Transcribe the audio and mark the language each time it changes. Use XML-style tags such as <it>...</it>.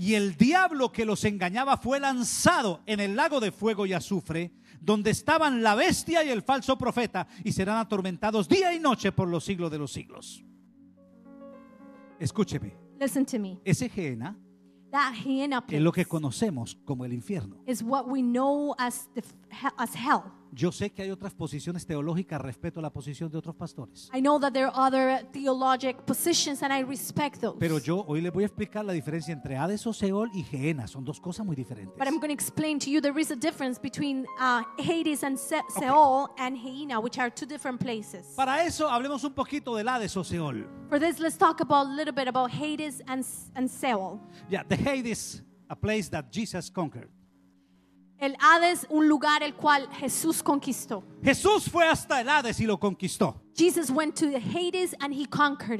<es>Y el diablo que los engañaba fue lanzado en el lago de fuego y azufre, donde estaban la bestia y el falso profeta, y serán atormentados día y noche por los siglos de los siglos. Escúcheme.</es> <en>Listen to me.</en> <es>Ese Gehenna,</es> <en>that Gehenna place,</en> <es>es lo que conocemos como el infierno.</es> <en>Is what we know as hell.</en> <es>Yo sé que hay otras posiciones teológicas respecto a la posición de otros pastores.</es> <en>I know that there are other theologic positions and I respect those.</en> <es>Pero yo hoy les voy a explicar la diferencia entre Hades o Seol y Gehenna. Son dos cosas muy diferentes.</es> <en>But I'm going to explain to you there is a difference between Hades and Seol, okay, and Gehenna, which are two different places.</en> <es>Para eso hablemos un poquito del Hades o Seol.</es> <en>For this, let's talk about a little bit about Hades and Seol. Yeah, the Hades, a place that Jesus conquered.</en> <es>El Hades, un lugar el cual Jesús conquistó. Jesús fue hasta el Hades y lo conquistó.</es> <en>Jesus went to the Hades and he conquered it.</en>